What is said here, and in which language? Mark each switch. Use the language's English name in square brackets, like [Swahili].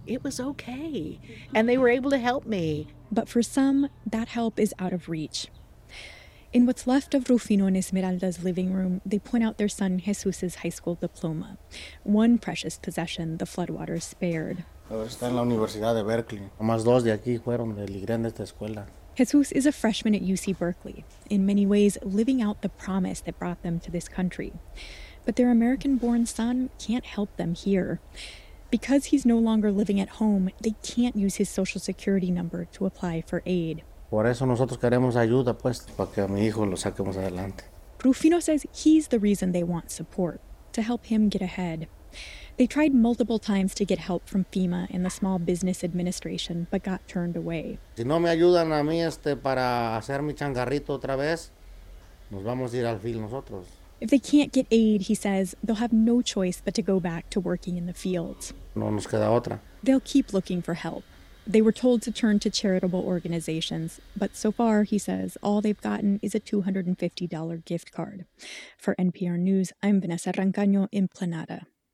[English] It was okay. And they were able to help me. But for some, that help is out of reach. In what's left of Rufino and Esmeralda's living room, they point out their son Jesus's high school diploma, one precious possession the floodwaters spared. [Spanish] Está en la Universidad de Berkeley. Más dos de aquí fueron del Ligren de esta escuela. [English] Jesus is a freshman at UC Berkeley, in many ways living out the promise that brought them to this country. But their American-born son can't help them here. Because he's no longer living at home, they can't use his social security number to apply for aid. [Spanish] Por eso nosotros queremos ayuda, pues, para que a mi hijo lo saquemos adelante. [English] Rufino says he's the reason they want support, to help him get ahead. They tried multiple times to get help from FEMA and the Small Business Administration, but got turned away. [Spanish] Si no me ayudan a mí para hacer mi changarrito otra vez, nos vamos a ir al fil nosotros. [English] If they can't get aid, he says, they'll have no choice but to go back to working in the fields. [Spanish] No nos queda otra. [English] They'll keep looking for help. They were told to turn to charitable organizations, but so far, he says, all they've gotten is a $250 gift card. For NPR News, I'm Vanessa Rancagno in Planada.